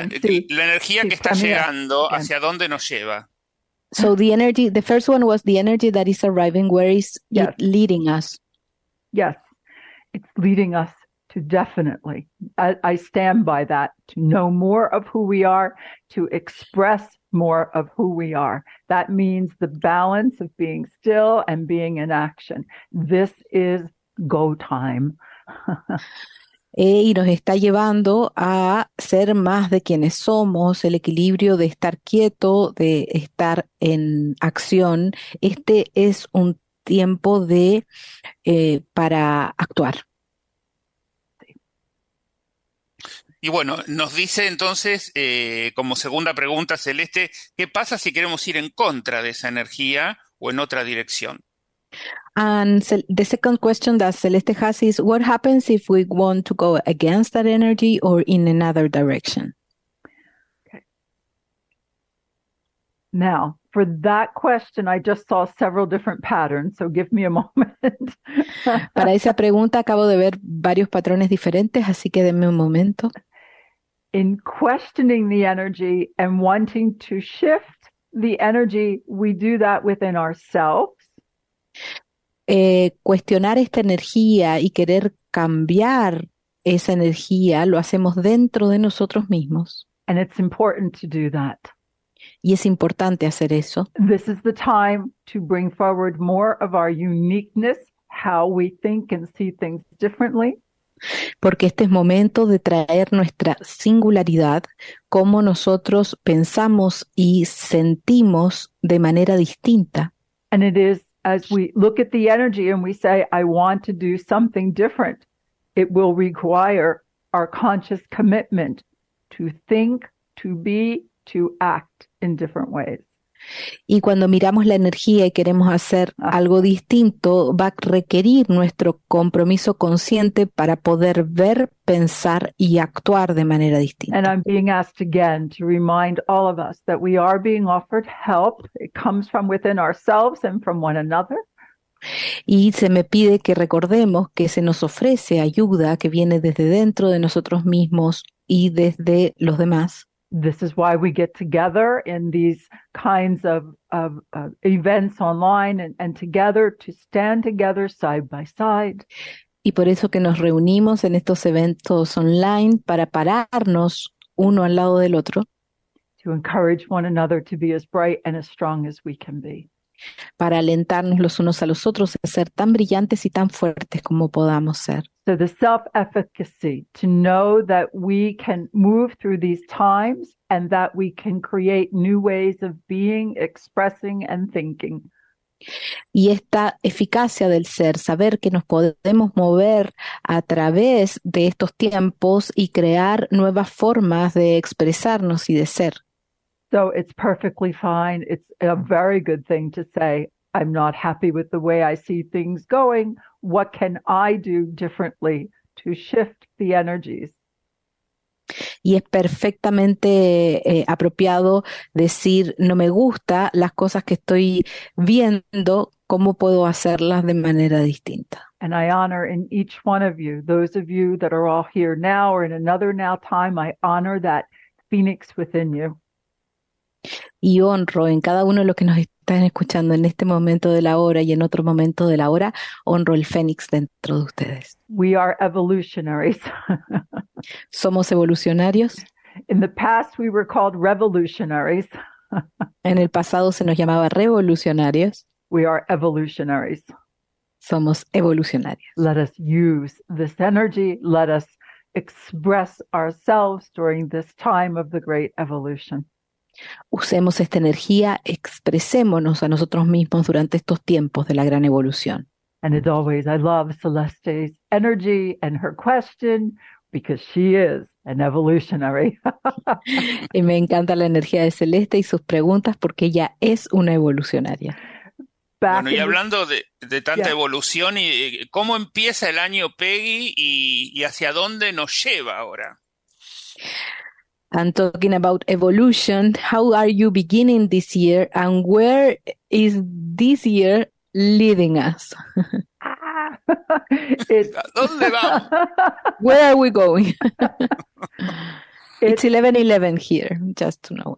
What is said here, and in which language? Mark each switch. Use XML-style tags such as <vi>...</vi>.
<es>la energía que está llegando, hacia dónde nos lleva.</es> <en>So the energy, the first one was the energy that is arriving, where is it leading us? Yes, it's leading us to definitely, I stand by that, to know more of who we are, to express more of who we are. That means the balance of being still and being in action. This is go time.</en> <es>Y nos está llevando a ser más de quienes somos, el equilibrio de estar quieto, de estar en acción. Este es un tiempo de para actuar. Y bueno, nos dice entonces, como segunda pregunta, Celeste, ¿qué pasa si queremos ir en contra de esa energía o en otra dirección?</es> <en>And the second question that Celeste has is, what happens if we want to go against that energy or in another direction? Now, for that question, I just saw several different patterns, so give me a moment.</en> <es>Para esa pregunta acabo de ver varios patrones diferentes, así que denme un momento.</es> <en>In questioning the energy and wanting to shift the energy, we do that within ourselves.</en> <es>Cuestionar esta energía y querer cambiar esa energía lo hacemos dentro de nosotros mismos.</es> <en>And it's important to do that.</en> <es>Y es importante hacer eso.</es> <en>This is the time to bring forward more of our uniqueness, how we think and see things differently.</en> <es>Porque este es momento de traer nuestra singularidad, cómo nosotros pensamos y sentimos de manera distinta.</es> <en>And it is as we look at the energy and we say, I want to do something different, it will require our conscious commitment to think, to be, to act in different ways.</en> <es>Y cuando miramos la energía y queremos hacer algo distinto, va a requerir nuestro compromiso consciente para poder ver, pensar y actuar de manera</es> <en>And</en> <es>distinta.</es> <en>I'm being asked again to remind all of us that we are being offered help. It comes from within ourselves and from one another.</en> <es>Y se me pide que recordemos que se nos ofrece ayuda que viene desde dentro de nosotros mismos y desde los demás.</es> <en>This is why we get together in these kinds of events online and together to stand together side by side.</en> <es>Y por eso que nos reunimos en estos eventos online para pararnos uno al lado del otro,</es> <en>To encourage one another to be as bright and as strong as we can be.</en> <es>para alentarnos los unos a los otros a ser tan brillantes y tan fuertes como podamos ser.</es> <en>So the self-efficacy, to know that we can move through these times and that we can create new ways of being, expressing, and thinking.</en> <es>Y esta eficacia del ser, saber que nos podemos mover a través de estos tiempos y crear nuevas formas de expresarnos y de ser.</es> <en>So it's perfectly fine. It's a very good thing to say, I'm not happy with the way I see things going. What can I do differently to shift the energies?</en> <es>Y es perfectamente apropiado decir, no me gusta las cosas que estoy viendo, ¿cómo puedo hacerlas de manera distinta?</es> <en>And I honor in each one of you, those of you that are all here now or in another now time, I honor that phoenix within you.</en> <es>Y honro en cada uno de los que nos están escuchando en este momento de la hora y en otro momento de la hora, honro el fénix dentro de ustedes.</es> <en>We are evolutionaries.</en> <es>Somos evolucionarios.</es> <en>In the past, we were called revolutionaries.</en> <es>En el pasado se nos llamaba revolucionarios.</es> <en>We are evolutionaries.</en> <es>Somos evolucionarios.</es> <en>Let us use this energy. Let us express ourselves during this time of the great evolution.</en> <es>Usemos esta energía, expresémonos a nosotros mismos durante estos tiempos de la gran evolución.</es> <en>And as always, I love Celeste's energy and her question because she is an evolutionary.</en> <es>Y me encanta la energía de Celeste y sus preguntas porque ella es una evolucionaria. Bueno,</es> <en>Back</en> <es>y</es> <en>in the</en> <es>hablando de tanta evolución, y ¿cómo empieza el año Peggy y hacia dónde nos lleva ahora?</es> <en>I'm talking about evolution. How are you beginning this year and where is this year leading us? It's</en> <es>¿A dónde vamos?</es> <en>Where are we going? It's 11:11 here, just to know.</en>